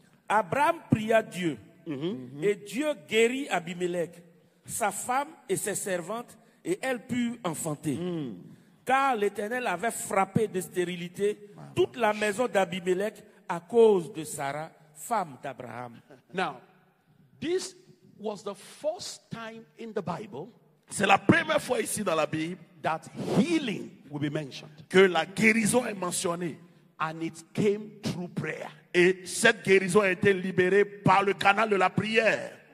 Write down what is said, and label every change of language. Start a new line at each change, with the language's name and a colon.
French: Abraham pria Dieu, et Dieu guérit Abimelech, sa femme et ses servantes, et elle put enfanter. Car l'Éternel avait frappé de stérilité toute la maison d'Abimelech à cause de Sarah. Femme d'Abraham.
English: Now, this was the first time in the Bible.
French: C'est la première fois ici dans la Bible
English: that healing will be mentioned.
French: Que la guérison est mentionnée,
English: and it came through prayer.
French: Et cette guérison a été libérée par le canal de la prière.